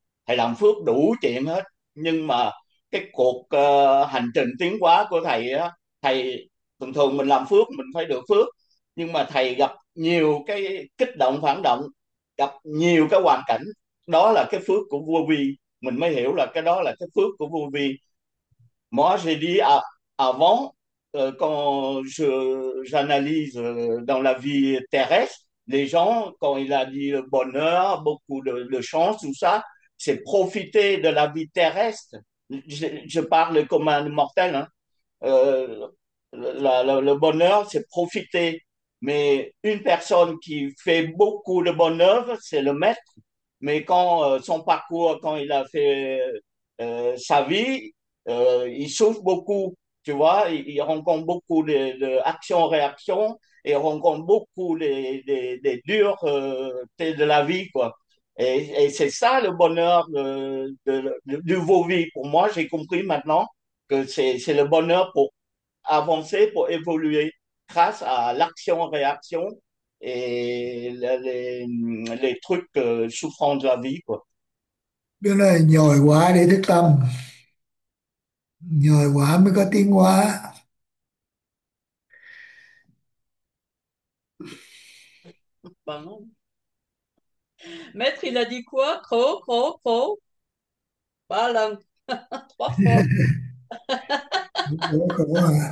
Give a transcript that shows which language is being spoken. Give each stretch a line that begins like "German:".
Vietnamese: Thầy làm phước đủ chuyện hết, nhưng mà cái cuộc hành trình tiến hóa của thầy á, thầy thường thường mình làm phước mình phải được phước, nhưng mà thầy gặp nhiều cái kích động phản động, gặp nhiều cái hoàn cảnh, đó là cái phước của vô vi. Mình mới hiểu là cái đó là cái phước của vô vi.
French: Moi j'ai dit avant quand j'analyse dans la vie terrestre, les gens quand il a dit le bonheur, beaucoup de chance, tout ça, c'est profiter de la vie terrestre. Je parle comme un mortel, hein. Le bonheur, c'est profiter. Mais une personne qui fait beaucoup de bonheur, c'est le maître. Mais quand son parcours, quand il a fait sa vie, il souffre beaucoup, tu vois. Il rencontre beaucoup d'actions-réactions, et il rencontre beaucoup des dures de la vie, quoi. Et c'est ça le bonheur du Vovi. Pour moi, j'ai compris maintenant que c'est le bonheur pour avancer, pour évoluer grâce à l'action-réaction et les trucs souffrants de la vie, quoi.
Vietnamese: Cái này nhồi quá để thức tâm, nhồi quá mới có tiến hóa.
French: Pardon. Maître, il a dit quoi? Cro, cro, cro. Pas la langue. Trois fois.